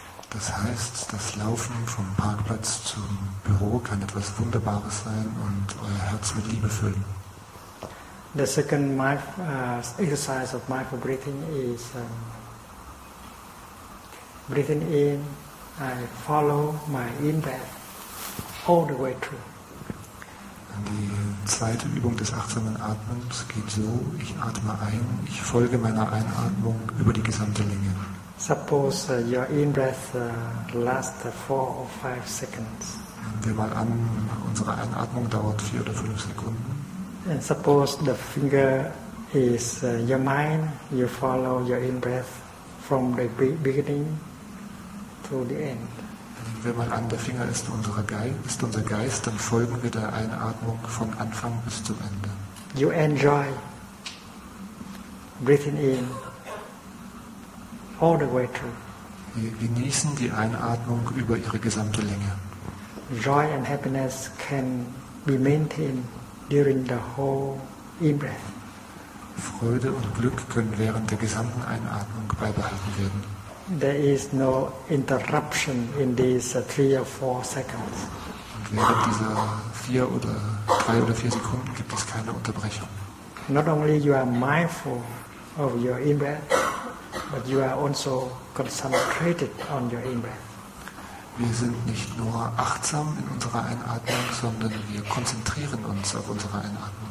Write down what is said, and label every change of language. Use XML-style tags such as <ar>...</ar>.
<de>Das heißt, das Laufen vom Parkplatz zum Büro kann etwas Wunderbares sein und euer Herz mit Liebe füllen.</de> <en>The second exercise of mindful breathing is breathing in, I follow my in-breath all the way through.</en> <de>Die zweite Übung des achtsamen Atmens geht so, ich atme ein, ich folge meiner Einatmung über die gesamte Länge.</de> <en>Suppose your in-breath lasts 4 or 5 seconds.</en> <de>Nehmen wir mal an, unsere Einatmung dauert 4 oder 5 Sekunden.</de> <en>And suppose the finger is your mind, you follow your in-breath from the beginning to the end.</en> <de>Nehmen wir mal an, der Finger ist unser Geist, dann folgen wir der Einatmung von Anfang bis zum Ende.</de> <en>You enjoy breathing in. All the way through.</en> <de>Wir genießen die Einatmung über ihre gesamte Länge.</de> <en>Joy and happiness can be maintained during the whole in-breath.</en> <de>Freude und Glück können während der gesamten Einatmung beibehalten werden.</de> <en>There is no interruption in these 3 or 4 seconds.</en> <de>Und während dieser 3 oder 4 Sekunden gibt es keine Unterbrechung.</de> <en>Not only you are mindful of your in-breath, but you are also concentrated on your in-breath.</en> <de>Wir sind nicht nur achtsam in unserer Einatmung, sondern wir konzentrieren uns auf unsere Einatmung.</de>